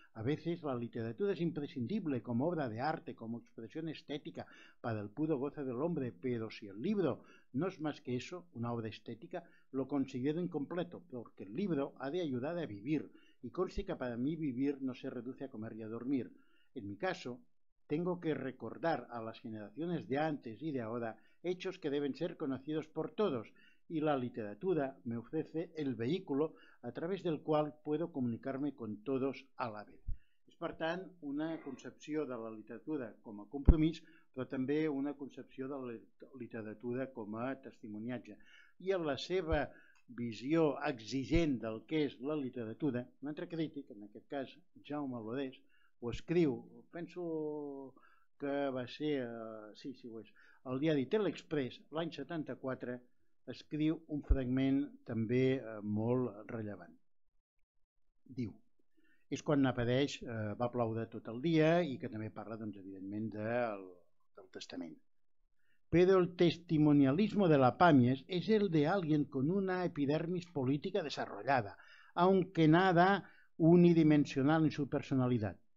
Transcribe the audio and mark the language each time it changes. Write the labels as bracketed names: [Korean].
[Spanish] A veces la literatura es imprescindible como obra de arte, como expresión estética para el puro goce del hombre, pero si el libro no es más que eso, una obra estética, lo considero incompleto, porque el libro ha de ayudar a vivir, y conste que para mí vivir no se reduce a comer y a dormir. En mi caso, tengo que recordar a las generaciones de antes y de ahora hechos que deben ser conocidos por todos, y la literatura me ofrece el vehículo a través del cual puedo comunicarme con todos a la vez. [Catalan] És, per tant, una concepció de la literatura com a compromís, però també una concepció de la literatura com a testimoniatge. I en la seva visió exigent del que és la literatura, un altre crític, en aquest cas Jaume Lodés, ho escriu, penso que va ser, el diari Teleexpress, l'any 74, escriu un fragment també molt rellevant. Diu, és quan apareix, va ploure tot el dia, i que també parla, doncs, evidentment, del testament. [Spanish] Pero el testimonialismo de la Pamies es el de alguien con una epidermis política desarrollada, aunque nada unidimensional en su personalidad.